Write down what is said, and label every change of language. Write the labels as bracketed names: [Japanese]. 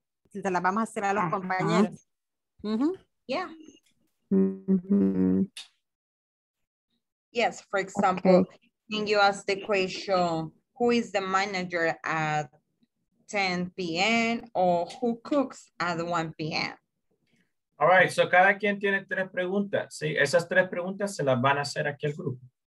[Spanish] Se la vamos a hacer a los compañeros. [English] Yes, for example, can you ask the question, who is the manager at 10 p.m. or who cooks at 1 p.m.? All right, so [Spanish] cada quien tiene tres preguntas. Sí, esas tres preguntas se las van a hacer aquí al grupo.